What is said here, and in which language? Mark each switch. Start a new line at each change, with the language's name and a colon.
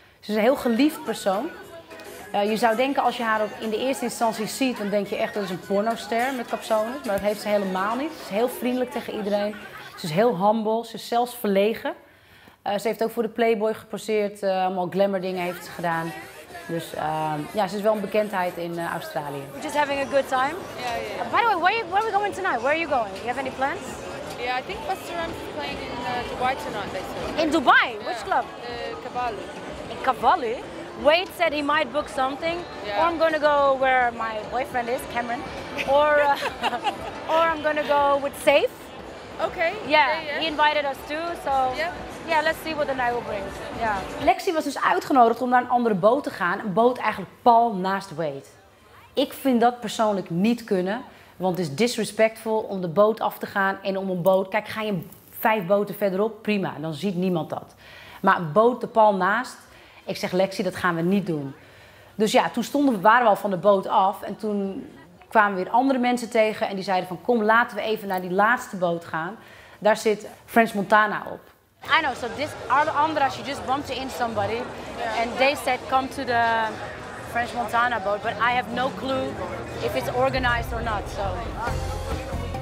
Dutch: Ze is een heel geliefd persoon. Je zou denken als je haar in de eerste instantie ziet, dan denk je echt dat is een pornoster met capsones. Maar dat heeft ze helemaal niet. Ze is heel vriendelijk tegen iedereen. Ze is heel humble. Ze is zelfs verlegen. Ze heeft ook voor de Playboy geposeerd. Allemaal glamour dingen heeft ze gedaan. Dus ze is wel een bekendheid in Australië.
English: We're just having a good time. Yeah, yeah. By the way, where are we going tonight? Where are you going? You have any plans? Yeah, I think Buster Rhymes is playing in Dubai tonight, they said. In Dubai? Yeah. Which club? Kabali. In Kabali? Wade said he might book something. Yeah. Or I'm gonna go where my boyfriend is, Cameron. Or or I'm gonna go with Saif. Okay. Yeah. He invited us too, so. Yeah. Ja, let's see what the night will bring. Yeah.
Dutch: Lexi was dus uitgenodigd om naar een andere boot te gaan. Een boot eigenlijk pal naast Wade. Ik vind dat persoonlijk niet kunnen. Want het is disrespectful om de boot af te gaan en om een boot. Kijk, ga je 5 boten verderop? Prima, dan ziet niemand dat. Maar een boot de pal naast. Ik zeg, Lexi, dat gaan we niet doen. Dus ja, toen waren we al van de boot af. En toen kwamen we weer andere mensen tegen. En die zeiden van, kom, laten we even naar die laatste boot gaan. Daar zit French Montana op.
English: I know, so this Alejandra, she just bumped in somebody and they said come to the French Montana boat, but I have no clue if it's organized or not, so.